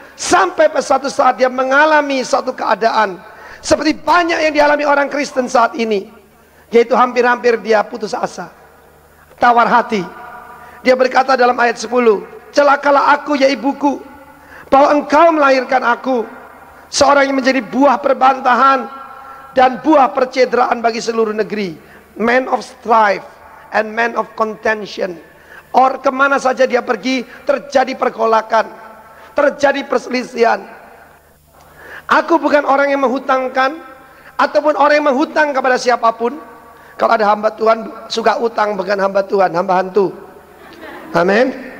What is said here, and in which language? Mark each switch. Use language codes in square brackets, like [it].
[id] Sampai pada suatu saat dia mengalami satu keadaan seperti banyak yang dialami orang Kristen saat ini, yaitu hampir-hampir dia putus asa, tawar hati. Dia berkata dalam ayat 10, celakalah aku ya ibuku, bahwa engkau melahirkan aku seorang yang menjadi buah perbantahan dan buah percederaan bagi seluruh negeri. [en] Man of strife and man of contention. [id] Or kemana saja dia pergi, terjadi pergolakan, terjadi perselisihan. Aku bukan orang yang menghutangkan ataupun orang yang menghutang kepada siapapun. Kalau ada hamba Tuhan suka utang, bukan hamba Tuhan, hamba hantu. Amin.